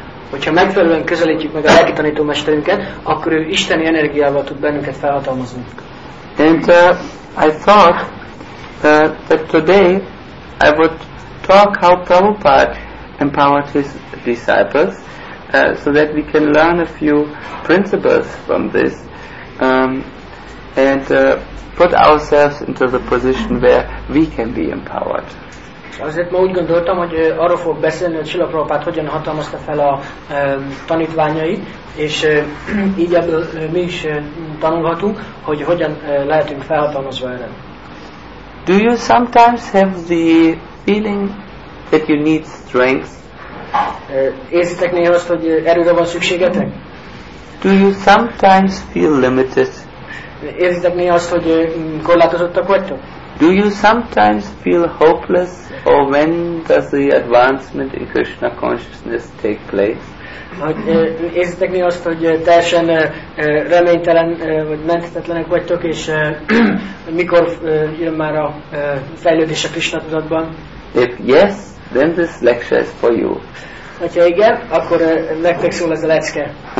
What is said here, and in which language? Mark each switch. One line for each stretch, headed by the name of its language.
Hungarian: Hogyha megfelelően közelítjük meg a lelki tanító mesterünket, akkor ő isteni energiával tud bennünket felhatalmazni.
English: And I thought that today I would talk how Prabhupada empowered his disciples. So that we can learn a few principles from this and put ourselves into the position where we can be empowered.
Hungarian: Azért ma úgy gondoltam, hogy arról fog beszélni, hogy Srila Prabhupád hogyan hatalmazta fel a tanítványait, és így ebből mi is tanulhatunk, hogy hogyan lehetünk felhatalmazva erre.
English: Do you sometimes have the feeling that you need strength?
Hungarian: Érzitek néha azt, hogy erőre van szükségetek?
English: Do you sometimes feel limited?
Hungarian: Érzitek néha azt, hogy korlátozottak vagytok?
English: Do you sometimes feel hopeless, or when does the advancement in Krishna consciousness take place?
Hungarian: Érzitek néha azt, hogy teljesen reménytelen, vagy menthetetlenek vagytok, és mikor jön már a fejlődés a Krishna tudatban?
English: If yes, then this lecture is for you.
Hungarian: Hogyha igen, akkor nektek szól ez a lecke.